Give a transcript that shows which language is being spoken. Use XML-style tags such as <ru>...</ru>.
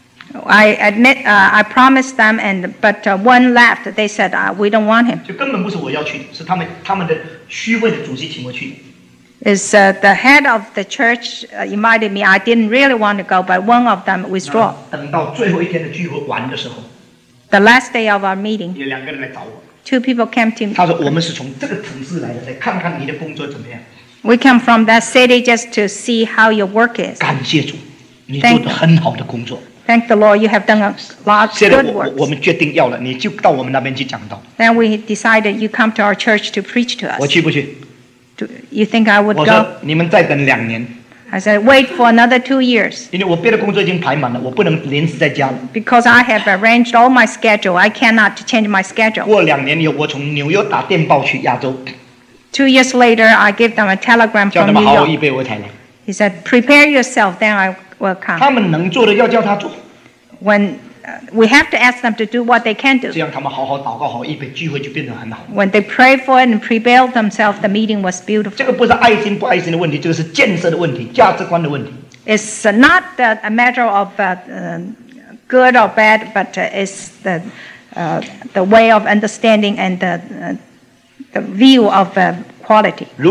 <zh>后来呢，我答应了，写信来的时候，剩下五个，有一个不要。</zh> <en>I promised them, but one left. They said we don't want him.</en> <zh>就根本不是我要去，是他们的虚伪的主席请我去。</zh> <en>Is the head of the church invited me? I didn't really want to go, but one of them withdraw.</en> <zh>等到最后一天的聚会完的时候，</zh> <en>The last day of our meeting.</en> <zh>有两个人来找我。</zh> <en>Two people came to me.</en> <zh>他说我们是从这个城市来的，来看看你的工作怎么样。</zh> <en>We come from that city just to see how your work is.</en> <zh>感谢主，你做的很好的工作。</zh> <en>Thank the Lord, you have done a lot of good work.</en> <zh>现在我们决定要了，你就到我们那边去讲道。</zh> <en>Then we decided you come to our church to preach to us.</en> <zh>我去不去？</zh> <en>Do you think I would go?</en> <zh>我说你们再等两年。</zh> <en>I said wait for another 2 years.</en> <zh>因为我别的工作已经排满了，我不能临时再加了。</zh> <en>Because I have arranged all my schedule, I cannot change my schedule.</en> <zh>过两年以后，我从纽约打电报去亚洲。</zh> <en>2 years later, I gave them a telegram from New York.</en> <zh>叫他们好好预备我才来。</zh> <en>He said, prepare yourself, then I will come.</en> <zh>他们能做的要叫他做。</zh> <en>When we have to ask them to do what they can do.</en> <zh>这样他们好好祷告，好好预备，聚会就变得很好。</zh> <en>When they pray for and prepare themselves, the meeting was beautiful.</en> <zh>这个不是爱心不爱心的问题，这个是建设的问题，价值观的问题。</zh> <en>It's not a matter of good or bad, but it's the way of understanding and the view of quality.</en>